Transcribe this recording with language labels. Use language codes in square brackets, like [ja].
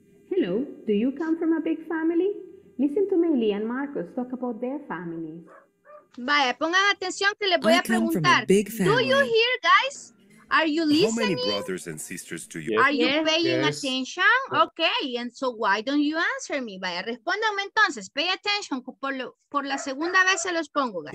[en] Hello, do you come from a big family? Listen to Meili and Marcos talk about their family. [es] Vaya, pongan atención que les voy a preguntar. [en] Do you hear, guys? Are you listening? How many brothers and sisters do you have? Are you paying attention? Okay, and so why don't you answer me? [es] Vaya, respóndanme entonces. [en] Pay attention. [es] Por la segunda vez se los pongo, guys.